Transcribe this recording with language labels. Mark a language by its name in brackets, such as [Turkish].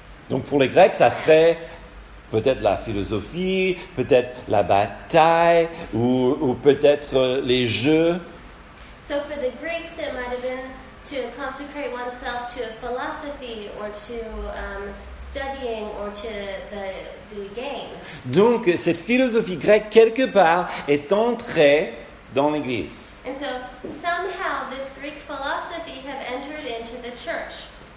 [French] Donc pour les Grecs, ça serait peut-être la philosophie, peut-être la bataille ou peut-être les jeux. [English] So for the Greeks, it might have been to consecrate oneself to a philosophy or to studying or to the games. [French] Donc cette philosophie grecque quelque part est entrée dans l'église. [English] And so somehow this Greek philosophy have entered into the church.